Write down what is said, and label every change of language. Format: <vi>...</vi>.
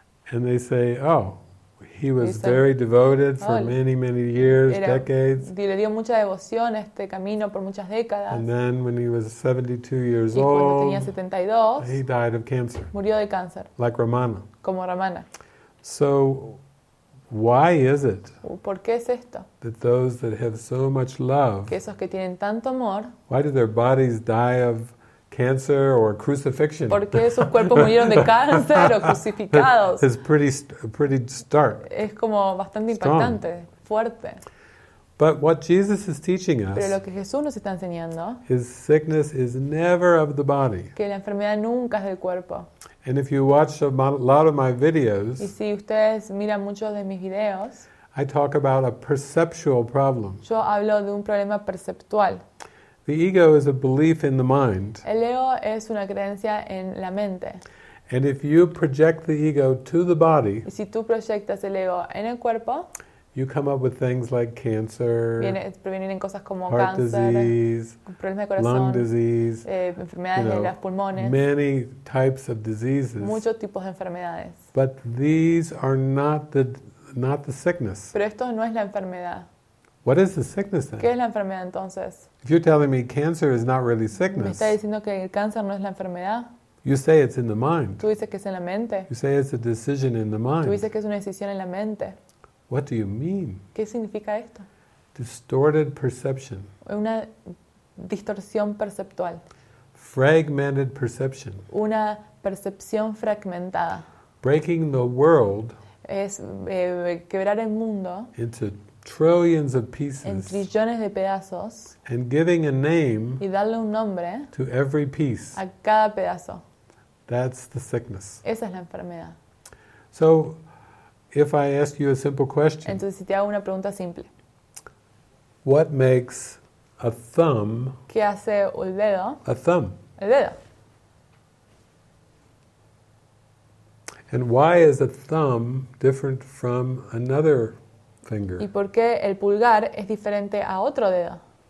<en>And they say, oh, he was very devoted for many, many years, decades.</en> <es>Le dio mucha devoción a este camino por muchas décadas.</es> <en>And then when he was 72 years</en> <es>y cuando</es> <en>old,</en> <es>tenía 72,</es> <en>he died of cancer.</en> <es>Murió de cáncer.</es> <en>Like Ramana.</en> <es>Como Ramana.</es> <en>So, why is it,</en> <es>¿por qué es esto?</es> <en>That those that have so much love,</en> <es>que esos que tienen tanto amor,</es> <en>why do their bodies die of cancer or crucifixion?</en> <es>¿Por qué sus cuerpos murieron de cáncer o crucificados?</es> <en>It's pretty stark.</en> <es>Es como bastante impactante, fuerte.</es> <en>But what Jesus is teaching us,</en> <es>pero lo que Jesús nos está enseñando,</es> <en>is sickness is never of the body.</en> <es>Que la enfermedad nunca es del cuerpo.</es> <en>And if you watch a lot of my videos,</en> <es>y si ustedes miran muchos de mis videos,</es> <en>I talk about a perceptual problem.</en> <es>Yo hablo de un problema perceptual.</es> <en>The ego is a belief in the mind.</en> <es>El ego es una creencia en la mente.</es> <en>And if you project the ego to the body,</en> <es>y si tú proyectas el ego en el cuerpo,</es> <en>you come up with things like cancer,</en> <es>vienen cosas como</es> <en>heart</en> <es>cancer,</es> <en>disease,</en> <es>problemas de corazón,</es> <en>lung disease,</en> <es>enfermedades,</es> <en>you know,</en> <es>de los pulmones,</es> <en>many types of diseases.</en> <es>Muchos tipos de enfermedades.</es> <en>But these are not the sickness.</en> <es>Pero esto no es la enfermedad.</es> <en>What is the sickness then?</en> <es>¿Qué es la enfermedad entonces?</es> <en>If you're telling me cancer is not really sickness,</en> <es>¿me está diciendo que el cáncer no es la enfermedad?</es> <en>You say it's in the mind.</en> <es>Tú dices que es en la mente.</es> <en>You say it's a decision in the mind.</en> <es>Tú dices que es una decisión en la mente.</es> <en>What do you mean?</en> <es>¿Qué significa esto?</es> <en>Distorted perception.</en> <es>Una distorsión perceptual.</es> <en>Fragmented perception.</en> <es>Una percepción fragmentada.</es> <en>Breaking the world</en> <es>es quebrar el mundo</es> <en>into trillions of pieces,</en> <es>en trillones de pedazos,</es> <en>and giving a name,</en> <es>y darle un nombre,</es> <en>to every piece,</en> <es>a cada pedazo.</es> <en>That's the sickness.</en> <es>Esa es la enfermedad.</es> <en>So, if I ask you a simple question,</en> <es>entonces si te hago una pregunta simple,</es> <en>what makes a thumb,</en> <es>¿qué hace el dedo,</es> <en>a thumb,</en> <es>el dedo?</es> <en>And why is a thumb different from another finger?</en> <es>¿Y por qué el pulgar es diferente a otro dedo?</es>